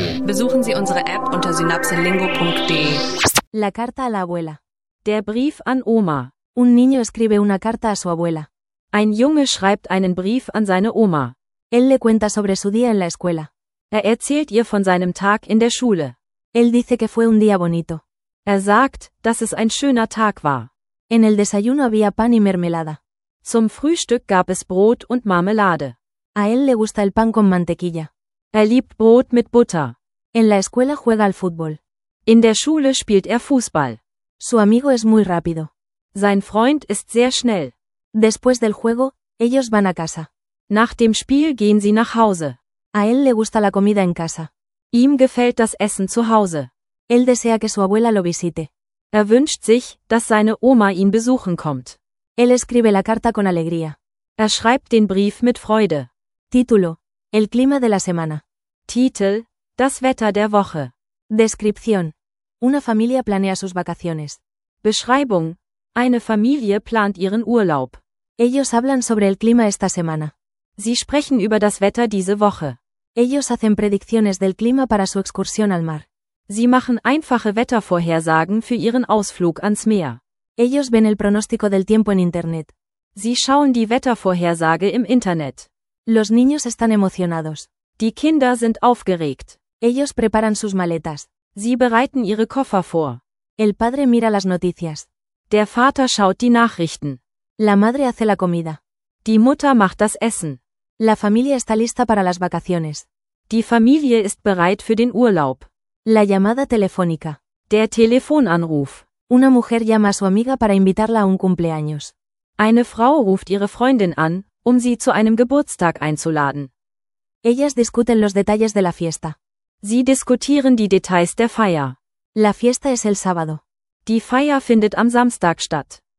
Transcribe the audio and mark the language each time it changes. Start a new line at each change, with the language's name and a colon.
German: Besuchen Sie unsere App unter synapselingo.de.
Spanish: La carta a la abuela.
German: Der Brief an Oma.
Spanish: Un niño escribe una carta a su abuela.
German: Ein Junge schreibt einen Brief an seine Oma.
Spanish: Él le cuenta sobre su día en la escuela.
German: Erzählt ihr von seinem Tag in der Schule.
Spanish: Él dice que fue un día bonito.
German: Sagt, dass es ein schöner Tag war.
Spanish: En el desayuno había pan y mermelada.
German: Zum Frühstück gab es Brot und Marmelade.
Spanish: A él le gusta el pan con mantequilla.
German: Liebt Brot mit Butter.
Spanish: En la escuela juega al fútbol.
German: In der Schule spielt Fußball.
Spanish: Su amigo es muy rápido.
German: Sein Freund ist sehr schnell.
Spanish: Después del juego, ellos van a casa.
German: Nach dem Spiel gehen sie nach Hause.
Spanish: A él le gusta la comida en casa.
German: Ihm gefällt das Essen zu Hause.
Spanish: Él desea que su abuela lo visite.
German: Wünscht sich, dass seine Oma ihn besuchen kommt.
Spanish: Él escribe la carta con alegría.
German: Schreibt den Brief mit Freude.
Spanish: Título: El clima de la semana.
German: Titel: Das Wetter der Woche.
Spanish: Descripción: Una familia planea sus vacaciones.
German: Beschreibung: Eine Familie plant ihren Urlaub.
Spanish: Ellos hablan sobre el clima esta semana.
German: Sie sprechen über das Wetter diese Woche.
Spanish: Ellos hacen predicciones del clima para su excursión al mar.
German: Sie machen einfache Wettervorhersagen für ihren Ausflug ans Meer.
Spanish: Ellos ven el pronóstico del tiempo en internet.
German: Sie schauen die Wettervorhersage im Internet.
Spanish: Los niños están emocionados.
German: Die Kinder sind aufgeregt.
Spanish: Ellos preparan sus maletas.
German: Sie bereiten ihre Koffer vor.
Spanish: El padre mira las noticias.
German: Der Vater schaut die Nachrichten.
Spanish: La madre hace la comida.
German: Die Mutter macht das Essen.
Spanish: La familia está lista para las vacaciones.
German: Die Familie ist bereit für den Urlaub.
Spanish: La llamada telefónica.
German: Der Telefonanruf.
Spanish: Una mujer llama a su amiga para invitarla a un cumpleaños.
German: Eine Frau ruft ihre Freundin an, um sie zu einem Geburtstag einzuladen.
Spanish: Ellas discuten los detalles de la fiesta.
German: Sie diskutieren die Details der Feier.
Spanish: La fiesta es el sábado.
German: Die Feier findet am Samstag statt.